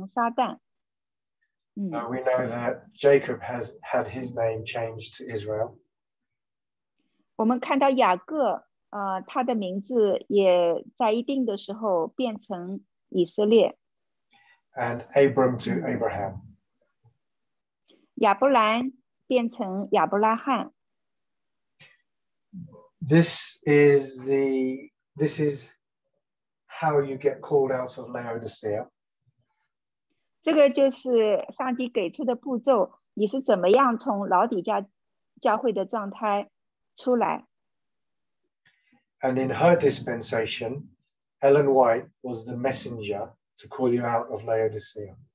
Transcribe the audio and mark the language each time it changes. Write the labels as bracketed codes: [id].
[zh] 举个例说，当这个路西佛他违背上帝的时候，他就变成撒旦。 [en] We know that Jacob has had his name changed to Israel. [zh] 我们看到雅各。他的名字也在一定的时候变成以色列。 [en] And Abram to Abraham. [zh] 亚伯兰变成亚伯拉罕。 [en] This is the, this is how you get called out of Laodicea. [zh] 这个就是上帝给出的步骤，你是怎么样从老底嘉教会的状态出来。 [en] And in her dispensation, Ellen White was the messenger to call you out of Laodicea.